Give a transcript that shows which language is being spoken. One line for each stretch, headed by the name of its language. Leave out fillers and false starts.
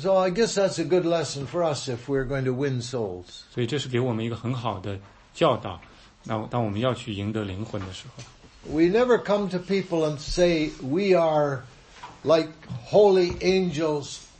English: So I guess that's a good lesson for us if we're going to win souls.
Chinese: 所以这是给我们一个很好的教导，那当我们要去赢得灵魂的时候。We
English: never come to people and say we are like holy angels.